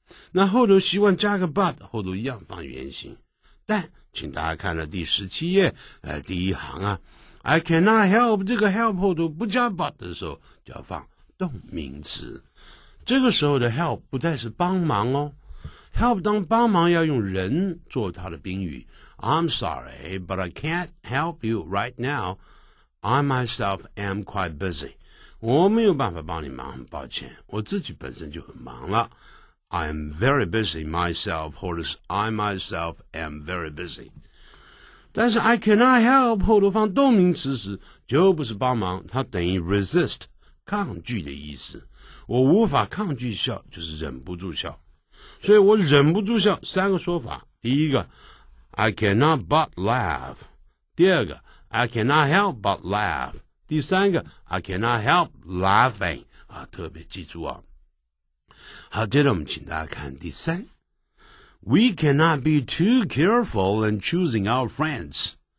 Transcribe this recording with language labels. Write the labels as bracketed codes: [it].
[zh] 那后头习惯加个 but 后头一样放原形但请大家看了第17页第一行啊 I cannot help 这个 help 后头不加 but 的时候就要放动名词这个时候的 help 不再是帮忙哦 help 当帮忙要用人做它的宾语 [en] I'm sorry but I can't help you right now I myself am quite busy [zh] 我没有办法帮你忙，抱歉，我自己本身就很忙了。 [en] I'm very busy myself, 或者是 I myself am very busy. [zh] 但是 I cannot help, 后头放动名词时就不是帮忙，它等于 resist, 抗拒的意思。我无法抗拒笑，就是忍不住笑。所以我忍不住笑，三个说法。第一个 [en] ,I cannot but laugh. [zh] 第二个 [en] ,I cannot help but laugh. [zh] 第三个 , [en] I cannot help laughing. [zh] 啊，特别记住啊。好，接着我们请大家看第三。 [en] We cannot be too careful in choosing our friends.